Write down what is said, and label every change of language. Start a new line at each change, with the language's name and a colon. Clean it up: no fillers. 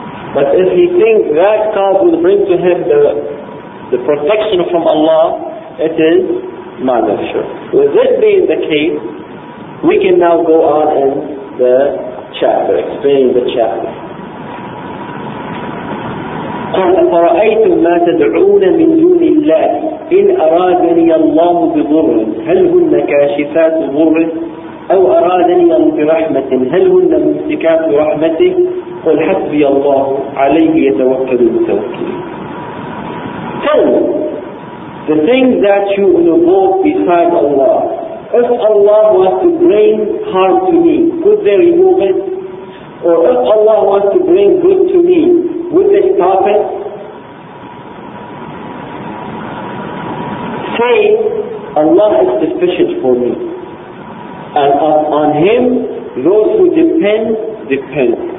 English: But if he thinks that cause will bring to him the protection from Allah, it is minor shirk. With this being the case, we can now go on in the chapter, explaining the chapter.
Arabic: قال أَفَرَأَيْتُمْ مَا تَدْعُونَ مِنْ دُونِ اللَّهِ إِنْ أَرَادَنِيَ اللَّهُ بِضُرٍّ هَلْ هُنَّ كَاشِفَاتُ ضُرٍّ أَوْ أَرَادَنِيَ بِرَحْمَةٍ هَلْ هُنَّ مُمْسِكَاتُ رَحْمَتِهِ قُلْ حَسْبِيَ اللَّهُ عَلَيْهِ يَتَوَكَّلُ الْمُتَوَكِّلُونَ
English: Tell me, the things that you invoke beside Allah, if Allah was to bring harm to me, could they remove it? Or if Allah was to bring good to me, would they stop it? Say, Allah is sufficient for me. And on Him, those who depend, depend.